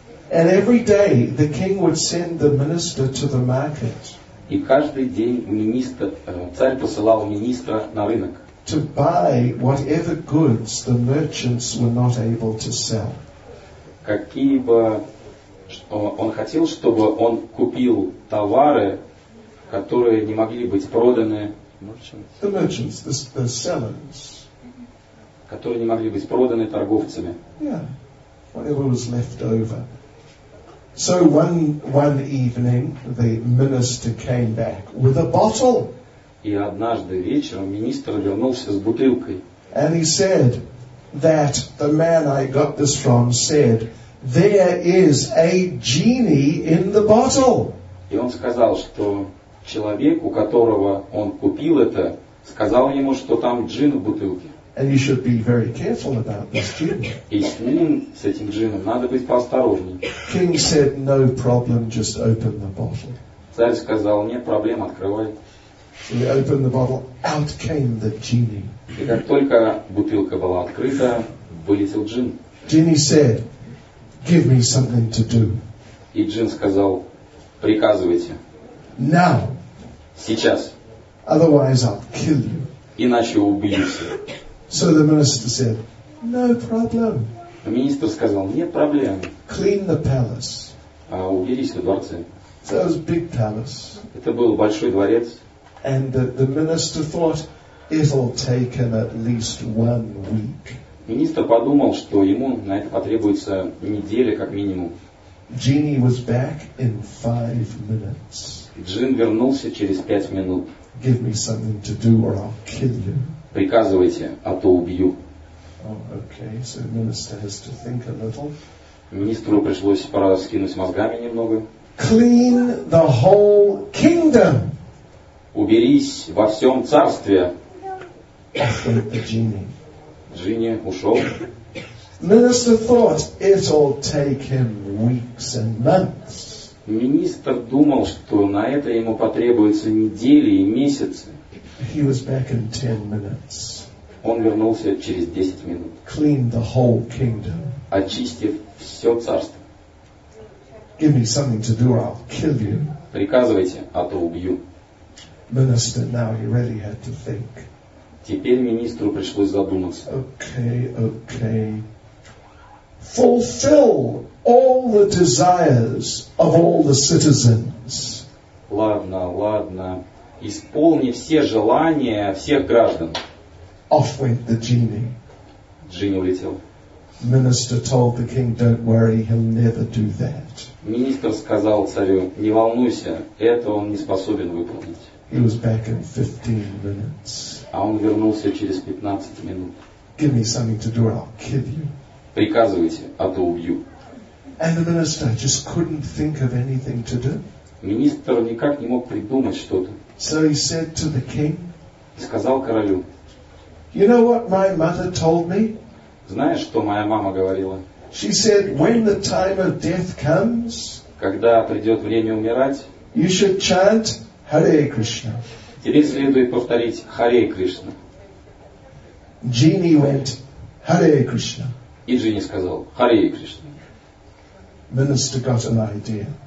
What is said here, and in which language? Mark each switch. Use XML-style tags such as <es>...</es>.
<en>And every day the king would send the minister to the market.</en> <ru>И каждый день министр, царь посылал министра на рынок.</ru> <en>To buy whatever goods the merchants were not able to sell.</en> <ru>Какие бы он хотел, чтобы он купил товары, которые не могли быть проданы.</ru> <en>The merchants, the sellers.</en> <ru>Которые не могли быть проданы торговцами.</ru> <en>Yeah, whatever was left over. So one evening the minister came back with a bottle.</en> <ru>И однажды вечером министр вернулся с бутылкой.</ru> <en>And he said that the man I got this from said there is a genie in the bottle.</en> <ru>И он сказал, что человек, у которого он купил это, сказал ему, что там джин в бутылке.</ru> <en>And you should be very careful about this gin.</en> <ru>И с ним, с этим джином, надо быть поосторожнее.</ru> <en>King said, no problem, just open the bottle.</en> <ru>Царь сказал, нет проблем, открывай.</ru> <en>So he opened the bottle, out came the genie.</en> <ru>И как только бутылка была открыта, вылетел джин.</ru> <en>Genie said, give me something to do.</en> <ru>И джин сказал, приказывайте.</ru> <en>Now.</en> <ru>Сейчас.</ru> <en>Otherwise I'll kill you.</en> <ru>Иначе убьюсь.</ru> <en>So the minister said, no problem.</en> <ru>Министр сказал, нет проблем.</ru> <en>Clean the palace.</en> <ru>Уберись во дворце.</ru> <en>So it was a big palace.</en> <ru>Это был большой дворец.</ru> <en>And the minister thought, it'll take him at least 1 week.</en> <ru>Министр подумал, что ему на это потребуется неделя как минимум.</ru> <en>Genie was back in 5 minutes.</en> <ru>Джин вернулся через 5 минут.</ru> <en>Give me something to do or I'll kill you.</en> <ru>Приказывайте, а то убью.</ru> <en>Oh, okay, so the minister has to think a little.</en> <ru>Министру пришлось пора скинуть мозгами немного.</ru> <en>Clean the whole kingdom.</en> <ru>Уберись во всем царстве. Джинни ушел.</ru> <en>Minister thought it'll take him weeks and months.</en> <ru>Министр думал, что на это ему потребуется недели и месяцы.</ru> <en>He was back in 10 minutes.</en> <ru>Он вернулся через 10 минут.</ru> <en>Clean the whole kingdom.</en> <ru>Очистив все царство.</ru> <en>Give me something to do or I'll kill you.</en> <ru>Приказывайте, а то убью.</ru> <en>Minister, now he really had to think.</en> <ru>Теперь министру пришлось задуматься.</ru> <en>Okay, okay. Fulfill all the desires of all the citizens.</en> <ru>Ладно, ладно. Исполни все желания всех граждан.</ru> <en>Off went the genie.</en> <ru>Джинни улетел.</ru> <en>Minister told the king, "Don't worry, he'll never do that."</en> <ru>Министр сказал царю: "Не волнуйся, это он не способен выполнить."</ru> <en>He was back in 15 minutes.</en> <ru>А он вернулся через 15 минут.</ru> <en>Give me something to do or I'll kill you.</en> <ru>Приказывайте, а то убью.</ru> <en>And the minister just couldn't think of anything to do.</en> <ru>Министр никак не мог придумать что-то.</ru> <en>So he said to the king.</en> <ru>Сказал королю.</ru> <en>You know what my mother told me?</en> <ru>Знаешь, что моя мама говорила?</ru> <en>She said, when the time of death comes,</en> <ru>когда придет время умирать,</ru> <en>you should chant Hare Krishna.</en> <ru>Тебе следует повторить Hare Krishna.</ru> <en>Genie went Hare Krishna.</en> <ru>И Джинни сказал Hare Krishna.</ru> <en>Minister got an idea.</en>